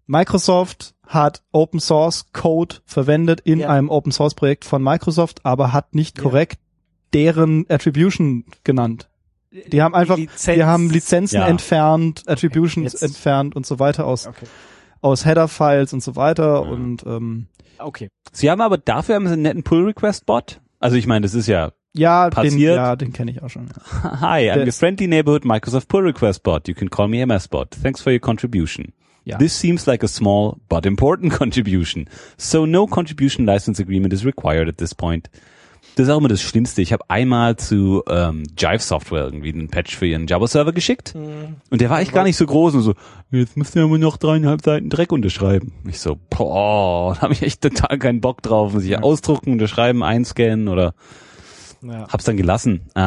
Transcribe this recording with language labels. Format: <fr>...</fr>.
<de>Microsoft hat Open Source Code verwendet in einem Open Source Projekt von Microsoft, aber hat nicht korrekt deren Attribution genannt. Die haben einfach, die haben Lizenzen entfernt, Attributions jetzt. Entfernt und so weiter aus Header-Files und so weiter und, okay. Sie haben aber dafür haben sie einen netten Pull-Request-Bot. Also ich meine, das ist ja passiert. Den kenne ich auch schon. Ja.</de> <en>Hi, I'm your friendly neighborhood Microsoft Pull-Request-Bot. You can call me MS-Bot. Thanks for your contribution.</en> <de>Ja.</de> <en>This seems like a small but important contribution. So no contribution license agreement is required at this point.</en> <de>Das ist auch immer das Schlimmste. Ich habe einmal zu Jive Software irgendwie einen Patch für ihren Java-Server geschickt. Und der war echt gar nicht so groß. Und so, jetzt müsst ihr aber noch 3,5 Seiten Dreck unterschreiben. Ich so, boah, da habe ich echt total keinen Bock drauf. Muss ich ausdrucken, unterschreiben, einscannen oder hab's dann gelassen.</de>